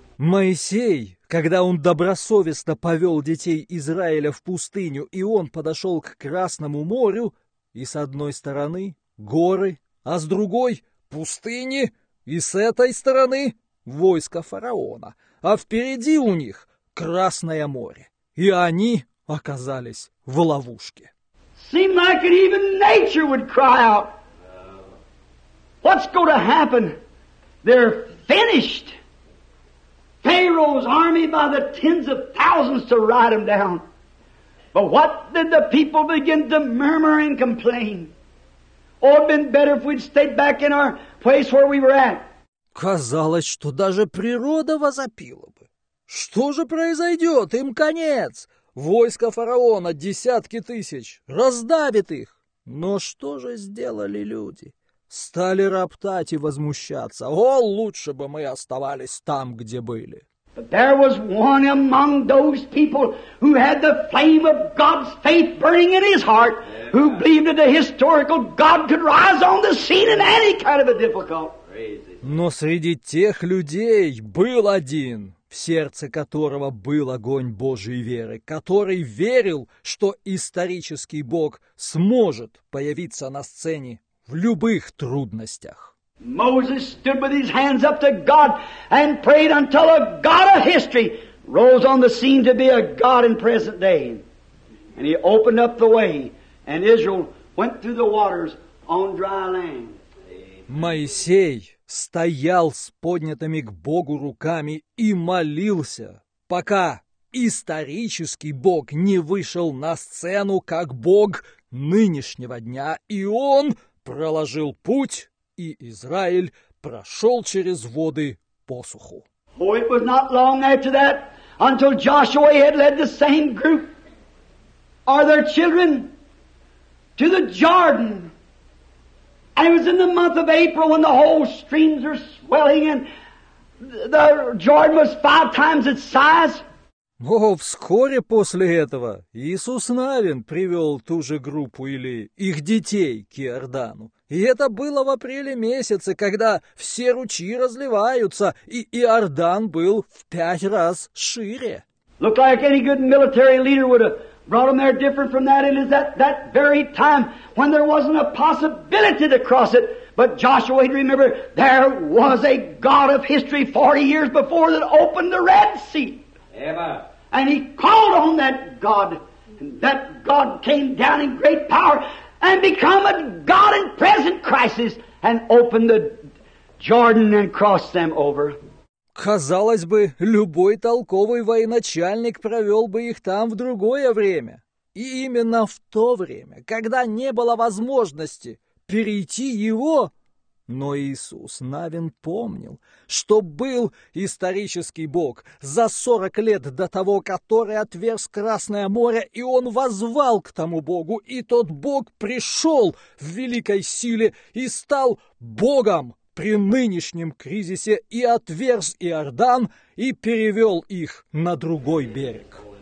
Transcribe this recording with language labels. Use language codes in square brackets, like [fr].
[ru] Моисей, когда он добросовестно повел детей Израиля в пустыню, и он подошел к Красному морю, и с одной стороны горы, а с другой пустыни, и с этой стороны войско фараона, а впереди у них Красное море, и они оказались в ловушке. [en] Seemed like even nature would cry out. What's going to happen? They're finished. Pharaoh's army by the tens of thousands to ride him down. But what did the people begin to murmur and complain? Oh, it'd been better if we'd stayed back in our place where we were at. [ru] Казалось, что даже природа возопила бы. Что же произойдет? Им конец. Войско фараона, десятки тысяч, раздавит их. Но что же сделали люди? Стали роптать и возмущаться. О, лучше бы мы оставались там, где были. [en] But there was one among those people who had the flame of God's faith burning in his heart, who believed that the historical God could rise on the scene in any kind of a difficult. [ru] Но среди тех людей был один, в сердце которого был огонь Божьей веры, который верил, что исторический Бог сможет появиться на сцене в любых трудностях. [en] Moses stood with his hands up to God and prayed until a God of history rose on the scene to be a God in present day. And he opened up the way, and Israel went through the waters on dry land. [ru] Моисей стоял с поднятыми к Богу руками и молился, пока исторический Бог не вышел на сцену как Бог нынешнего дня, и он проложил путь, и Израиль прошел через воды по суху. [en] Oh, it was not long after that until Joshua had led the same group or their children to the Jordan. And it was in the month of April when the whole streams were swelling and the Jordan was five times its size. [ru] Но вскоре после этого Иисус Навин привел ту же группу или их детей к Иордану. И это было в апреле месяце, когда все ручьи разливаются, и Иордан был в пять раз шире. [en] Look like any good military leader would have brought them there different from that. It is that very time when there wasn't a possibility to cross it. But Joshua, he'd remember, there was a God of history 40 years before that opened the Red Sea. And he called on that God, and that God came down in great power and become a God in present crisis and opened the Jordan and crossed them over. [ru] Казалось бы, любой толковый военачальник провел бы их там в другое время. И именно в то время, когда не было возможности перейти его. Но Иисус Навин помнил, что был исторический Бог за 40 лет до того, который отверз Красное море, и он воззвал к тому Богу, и тот Бог пришел в великой силе и стал Богом при нынешнем кризисе и отверз Иордан и перевел их на другой берег.